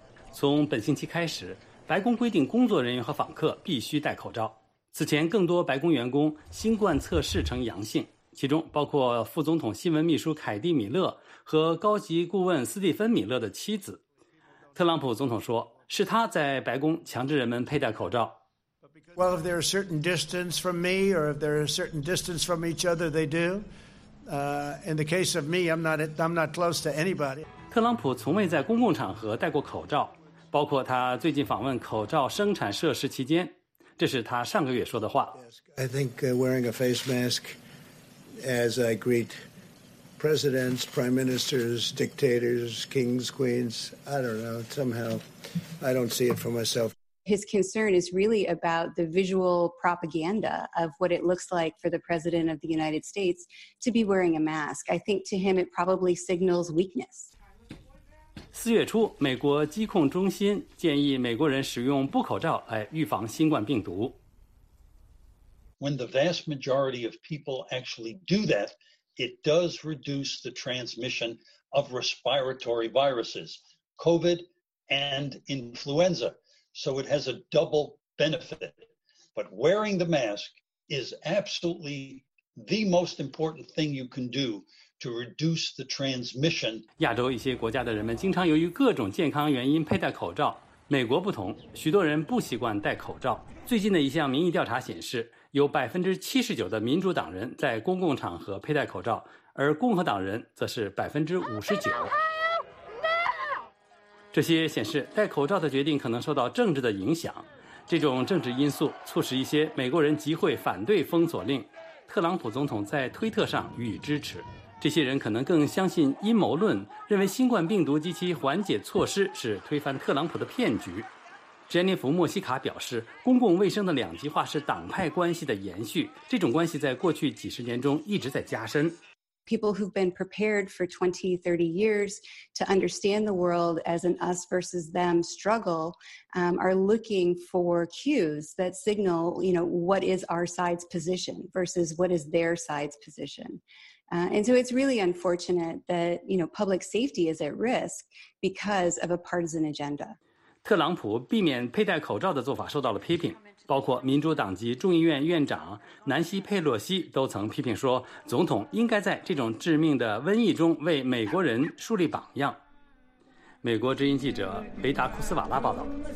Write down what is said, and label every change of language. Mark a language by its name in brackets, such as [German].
[Chinese] 从本星期开始，白宫规定工作人员和访客必须戴口罩。此前，更多白宫员工新冠测试呈阳性，其中包括副总统新闻秘书凯蒂·米勒和高级顾问斯蒂芬·米勒的妻子。特朗普总统说，是他在白宫强制人们佩戴口罩。 [English] Well, if there is a certain distance from me, or if there is a certain distance from each other, they do. In the case of me, I'm not close to anybody. [Chinese] 特朗普从未在公共场合戴过口罩，包括他最近访问口罩生产设施期间，这是他上个月说的话。 [English] I think wearing a face mask as I greet presidents, prime ministers, dictators, kings, queens, I don't know, somehow. I don't see it for myself. His concern is really about the visual propaganda of what it looks like for the president of the United States to be wearing a mask. I think to him it probably signals weakness. [Chinese] 四月初，美国疾控中心建议美国人使用布口罩来预防新冠病毒。 [English] When the vast majority of people actually do that, it does reduce the transmission of respiratory viruses, COVID. And influenza, so it has a double benefit. But wearing the mask is absolutely the most important thing you can do to reduce the transmission. [Chinese] 亚洲一些国家的人们经常由于各种健康原因佩戴口罩。美国不同，许多人不习惯戴口罩。最近的一项民意调查显示，有79%的民主党人在公共场合佩戴口罩，而共和党人则是59%。这些显示戴口罩的决定可能受到政治的影响，这种政治因素促使一些美国人集会反对封锁令，特朗普总统在推特上予以支持。这些人可能更相信阴谋论，认为新冠病毒及其缓解措施是推翻特朗普的骗局。詹妮弗·莫西卡表示，公共卫生的两极化是党派关系的延续，这种关系在过去几十年中一直在加深。 [English] People who've been prepared for 20, 30 years to understand the world as an us versus them struggle, are looking for cues that signal, you know, what is our side's position versus what is their side's position. And so it's really unfortunate that, you know, public safety is at risk because of a partisan agenda. [Chinese] 特朗普避免佩戴口罩的做法受到了批评。包括民主党籍众议院院长南希·佩洛西都曾批评说，总统应该在这种致命的瘟疫中为美国人树立榜样。美国之音记者维达·库斯瓦拉报道。